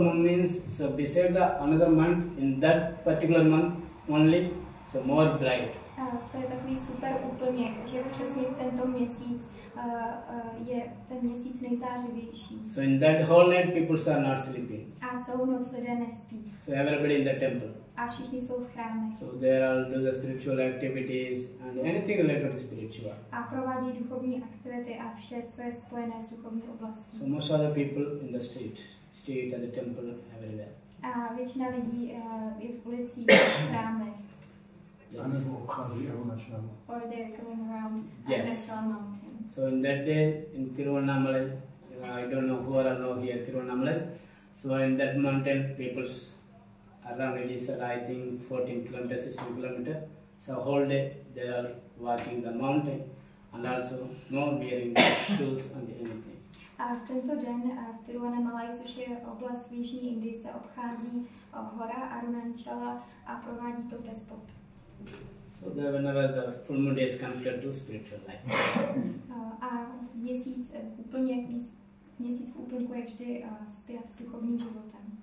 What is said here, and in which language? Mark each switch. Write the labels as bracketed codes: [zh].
[en] moon means, so beside the another month, in that particular month only, so more bright. [cs] To je takový super úplněk, že přesně v tento měsíc je ten měsíc nejzářivější. [en] So in that whole night people are not sleeping. [cs] A celou noc lidé nespí. [en] So everybody in the temple. [cs] A všichni jsou v chrámech. [en] So there are all the spiritual activities and anything related to spiritual. [cs] A provádí duchovní aktivity a vše, co je spojené s duchovní oblastí. [en] So most of the people in the street and the temple everywhere. [cs] A většina lidí je v ulicích a v chrámech. [en] Yes. [cs] Anebo obchází jeho načinama. [en] Or they are coming around Anachal mountain. So in that day, in Thiruvannamalai, I don't know who are now here, Thiruvannamalai. So in that mountain, people around it is, I think, 14 kilometers, 16 kilometers. So whole day, they are walking the mountain and also no wearing shoes and anything. [cs] A v tento den v Thiruvannamalai, což je oblast v jižní Indii, se obchází hora Arunachala a provádí to bez bot. [en] So there whenever the full moon day is connected to spiritual life. [cs] A měsíc úplně měsíc v úplňku je vždy spjat s duchovním životem.